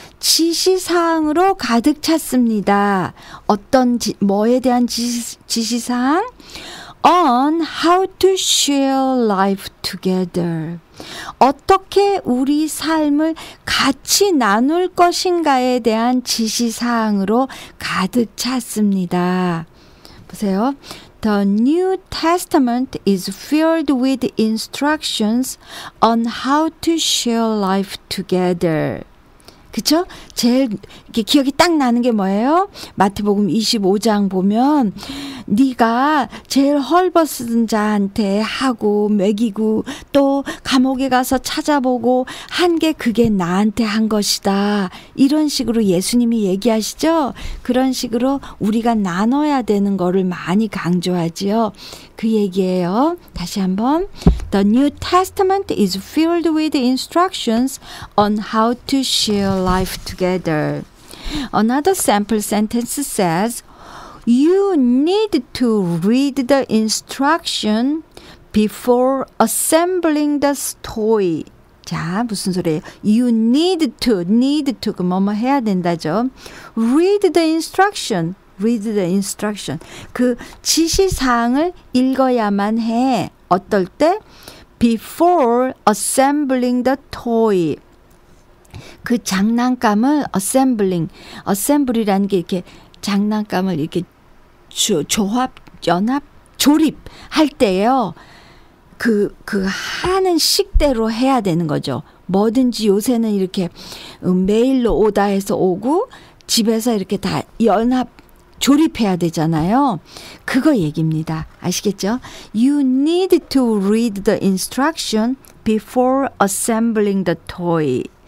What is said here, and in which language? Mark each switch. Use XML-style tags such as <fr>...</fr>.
<ko>지시사항으로 가득 찼습니다. 어떤 뭐에 대한 지시사항?</ko> <en>On how to share life together.</en> <ko>어떻게 우리 삶을 같이 나눌 것인가에 대한 지시사항으로 가득 찼습니다. 보세요.</ko> <en>The New Testament is filled with instructions on how to share life together.</en> <ko>그쵸? 제일 이렇게 기억이 딱 나는 게 뭐예요? 마태복음 25장 보면 네가 제일 헐벗은 자한테 하고 먹이고 또 감옥에 가서 찾아보고 한 게 그게 나한테 한 것이다. 이런 식으로 예수님이 얘기하시죠? 그런 식으로 우리가 나눠야 되는 거를 많이 강조하지요. 그 얘기예요.</ko> <en>다시 한번 The New Testament is filled with instructions on how to share life together. Another sample sentence says, You need to read the instruction before assembling the toy.</en> <ko>자, 무슨 소리예요? You need to, 그 뭐뭐 해야 된다죠.</ko> <en>Read the instruction, read the instruction.</en> <ko>그 지시사항을 읽어야만 해.</ko> <en>어떨 때? Before assembling the toy.</en> <ko>그 장난감을 assembling, assembly라는 게 이렇게 장난감을 이렇게 조합, 연합, 조립할 때요. 그 하는 식대로 해야 되는 거죠. 뭐든지 요새는 이렇게 메일로 오다 해서 오고 집에서 이렇게 다 연합, 조립해야 되잖아요. 그거 얘기입니다. 아시겠죠?</ko> <en>You need to read the instruction before assembling the toy.</en>